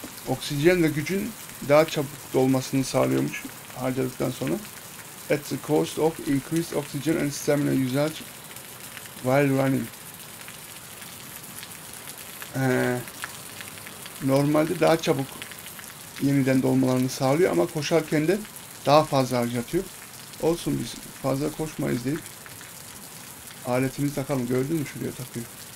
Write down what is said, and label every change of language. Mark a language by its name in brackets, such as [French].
[Turkish] Oksijen ve gücün daha çabuk dolmasını sağlıyormuş harcadıktan sonra. [English] At the cost of increased oxygen and stamina usage while running. [Turkish] Normalde daha çabuk yeniden dolmalarını sağlıyor ama koşarken de daha fazla harcatıyor. Olsun, biz fazla koşmayız deyip aletimizi takalım. Gördün mü, şuraya takıyor.